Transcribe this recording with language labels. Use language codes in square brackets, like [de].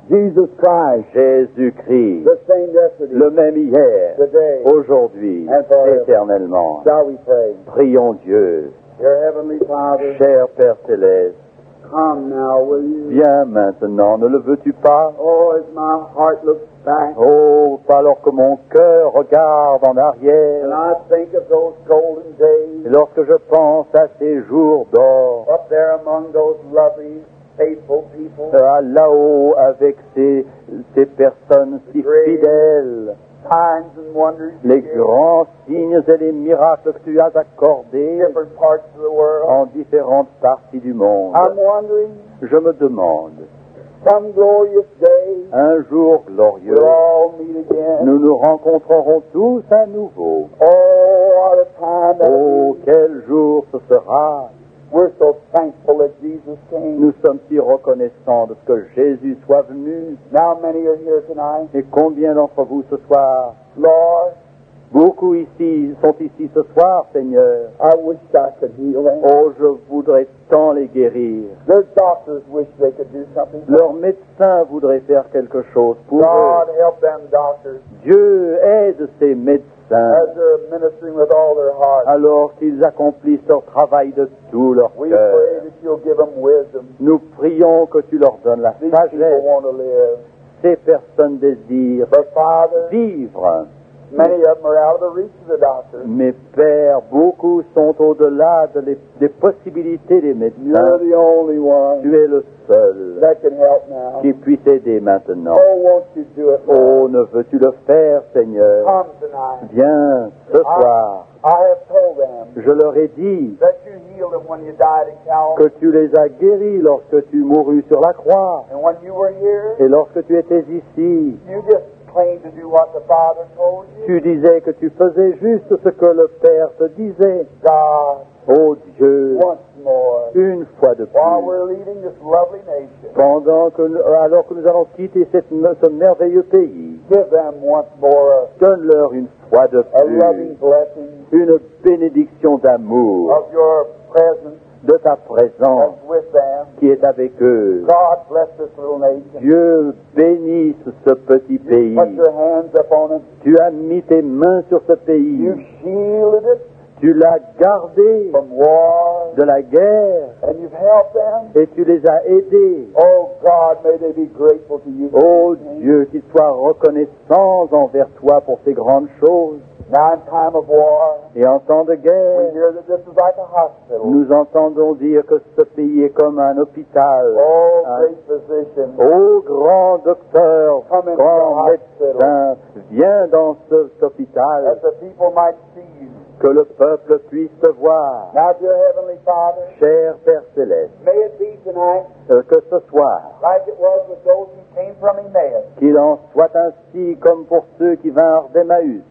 [en] Jesus Christ. [fr] Jésus-Christ. [en] The same yesterday. [fr] Le même hier. [en] Today. [fr] Aujourd'hui. [en] And forever. [fr] Éternellement. [en] Shall we pray? [fr] Prions Dieu. [en] Your heavenly Father. [fr] Cher Père Céleste. [en] Come now, will you? [fr] Viens maintenant, ne le veux-tu pas? [en] Oh, as my heart looks back. [fr] Oh, alors que mon cœur regarde en arrière. [en] And I think of those golden days. [fr] Et lorsque je pense à ces jours d'or. [en] Up there among those lovely, faithful people. [fr] Là-haut avec ces personnes si fidèles. [en] Signs and wonders. [fr] Les grands signes et les miracles que tu as accordés [en] different parts of the world. [fr] En différentes parties du monde. [en] I'm wondering, [fr] je me demande, [en] some glorious day, [fr] un jour glorieux, [en] we'll all meet again. [fr] Nous nous rencontrerons tous à nouveau. [en] Oh, what a time [fr] oh quel jour ce sera! [en] We're so thankful that Jesus came. [fr] Nous sommes si reconnaissants de ce que Jésus soit venu. [en] Now many are here tonight. [fr] Et combien d'entre vous ce soir? [en] Lord, [fr] beaucoup ici sont ici ce soir, Seigneur. [en] I wish I could heal them. [fr] Oh, je voudrais tant les guérir. [en] Their doctors wish they could do something. [fr] Leurs médecins voudraient faire quelque chose pour [en] God, [fr] eux. [en] God, help them, doctors. [fr] Dieu aide ces médecins. [en] As they're ministering with all their heart. [fr] Alors qu'ils accomplissent leur travail de tout leur cœur. [en] We pray that you'll give them wisdom. [fr] Nous prions que tu leur donnes la [en] These [fr] sagesse. [en] People want to live. [fr] Ces personnes désirent [en] But Father, [fr] vivre. [en] Many of them are out of the reach of the doctor. [fr] Mes pères, beaucoup sont au-delà des possibilités des médecins. [en] You're the only one [fr] tu es le seul [en] that can help now. [fr] Qui puisse aider maintenant. [en] Oh, won't you do it now? [fr] Oh, ne veux-tu le faire, Seigneur? [en] Come tonight. [fr] Viens ce soir. [en] I have told them [fr] je leur ai dit [en] that you healed them when you died at Calvary. [fr] Que tu les as guéris lorsque tu mourus sur la croix. [en] And when you were here, [fr] et lorsque tu étais ici, [en] you just to do what the Father told you. [fr] Tu disais que tu faisais juste ce que le Père te disait. [en] God, [fr] Oh Dieu, [en] once more, [fr] une fois de plus, [en] while we're leaving this lovely nation, [fr] alors que nous allons quitter ce merveilleux pays, [en] give them once more, [fr] donne-leur une fois de plus, [en] a loving blessing, [fr] une bénédiction d'amour, [en] of your presence, [fr] de ta présence [en] that's with them, [fr] qui est avec eux. [en] God bless this little nation. [fr] Dieu bénisse ce petit pays. [en] Put your hands upon it. [fr] Tu as mis tes mains sur ce pays. [en] You shielded it. [fr] Tu l'as gardé de la guerre [en] and you've helped them. [fr] Et tu les as aidés. [en] Oh, God, may they be grateful to you. [fr] Oh Dieu, qu'ils soient reconnaissants envers toi pour ces grandes choses. [en] Now in time of war, [fr] et en temps de guerre, [en] we hear that this is like a hospital. [fr] Nous entendons dire que ce pays est comme un hôpital. [en] Oh, great physician. [fr] Oh, grand docteur, [en] come [fr] grand médecin, viens dans cet hôpital. [en] That the people might see you. [fr] Que le peuple puisse te voir. [en] Now, dear Heavenly Father, [fr] cher Père Céleste, [en] may it be tonight, [fr] que ce soit, [en] like it was with those who came from Emmaus, [fr] qu'il en soit ainsi comme pour ceux qui vinrent d'Emmaüs.